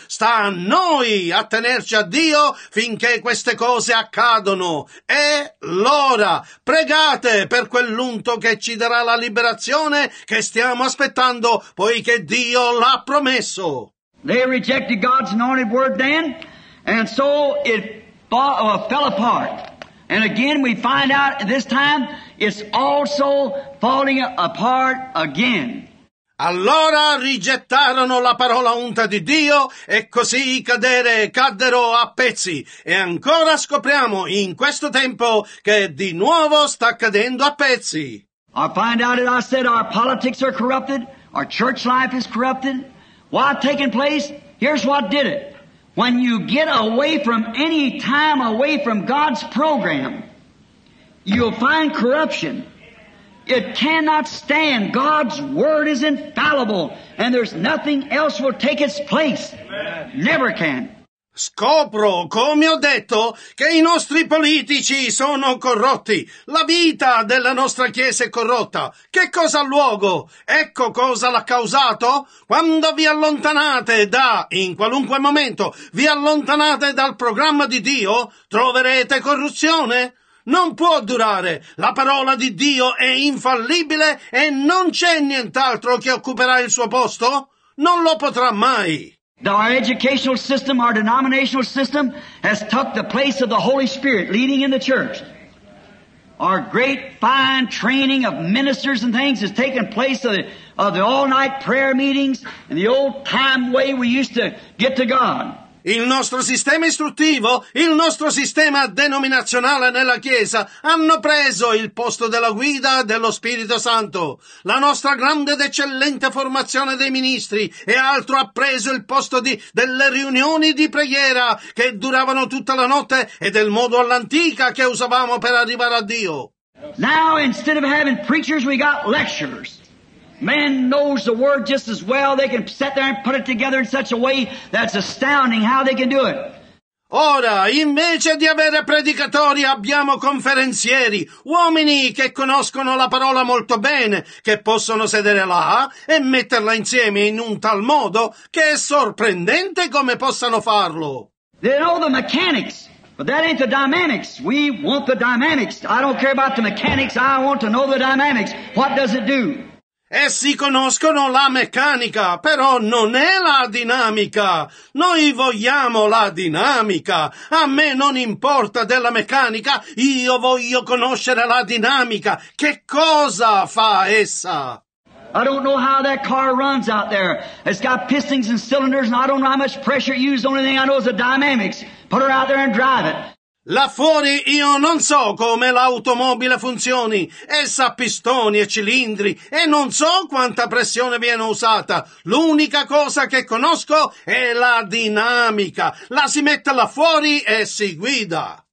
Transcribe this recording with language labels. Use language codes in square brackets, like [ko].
[it] Sta a noi attenerci a Dio finché queste cose accadono. È l'ora. Pregate per quell'unto che ci darà la liberazione che stiamo aspettando, poiché Dio l'ha promesso. [en] They rejected God's anointed word then, and so it fell apart. And again, we find out this time it's also falling apart again. [it] Allora rigettarono la parola unta di Dio e così caddero a pezzi. E ancora scopriamo in questo tempo che di nuovo sta cadendo a pezzi. [en] I find out that I said our politics are corrupted, our church life is corrupted. What taking place? Here's what did it. When you get away from any time away from God's program, you'll find corruption. It cannot stand. God's word is infallible, and there's nothing else will take its place. Never can. [it] Scopro, come ho detto, che i nostri politici sono corrotti. La vita della nostra Chiesa è corrotta. Che cosa ha luogo? Ecco cosa l'ha causato. Quando vi allontanate da, in qualunque momento, vi allontanate dal programma di Dio, troverete corruzione. Non può durare. La parola di Dio è infallibile e non c'è nient'altro che occuperà il suo posto. Non lo potrà mai. [en] Our educational system, our denominational system, has took the place of the Holy Spirit leading in the church. Our great fine training of ministers and things has taken place of the all-night prayer meetings and the old-time way we used to get to God. [it] Il nostro sistema istruttivo, il nostro sistema denominazionale nella Chiesa hanno preso il posto della guida dello Spirito Santo. La nostra grande ed eccellente formazione dei ministri e altro ha preso il posto delle riunioni di preghiera che duravano tutta la notte e del modo all'antica che usavamo per arrivare a Dio. [en] Now instead of having preachers we got lecturers. Man knows the word just as well. They can sit there and put it together in such a way that's astounding how they can do it. [it] Ora, invece di avere predicatori, abbiamo conferenzieri, uomini che conoscono la parola molto bene, che possono sedere là e metterla insieme in un tal modo che è sorprendente come possano farlo. [en] They know the mechanics, but that ain't the dynamics. We want the dynamics. I don't care about the mechanics. I want to know the dynamics. What does it do? [it] Essi conoscono la meccanica, però non è la dinamica. Noi vogliamo la dinamica. A me non importa della meccanica, io voglio conoscere la dinamica. Che cosa fa essa? [en] I don't know how that car runs out there. It's got pistons and cylinders, and I don't know how much pressure it uses. The only thing I know is the dynamics. Put her out there and drive it. [it] Là fuori io non so come l'automobile funzioni, essa ha pistoni e cilindri e non so quanta pressione viene usata. L'unica cosa che conosco è la dinamica. La si mette là fuori e si guida.